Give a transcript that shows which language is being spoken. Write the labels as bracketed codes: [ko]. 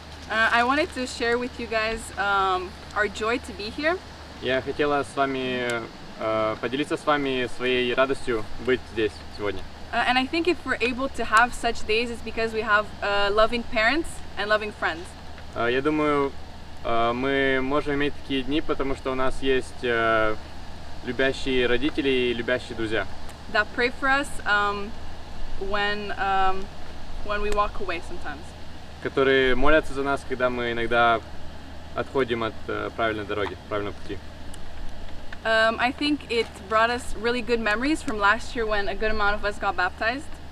[en] I wanted to share with you guys our joy to be here. [ru] Я хотела с вами поделиться с вами своей радостью быть здесь сегодня. [en] And I think if we're able to have such days, it's because we have loving parents and loving friends. [ru] Я думаю, мы можем иметь такие дни, потому что у нас есть любящие родители и любящие друзья. [en] That pray for us when we walk away sometimes. [ru] Которые молятся за нас, когда мы иногда отходим от правильной дороги, правильного пути. [en] I think it brought us really good memories from last year when a good amount of us got baptized.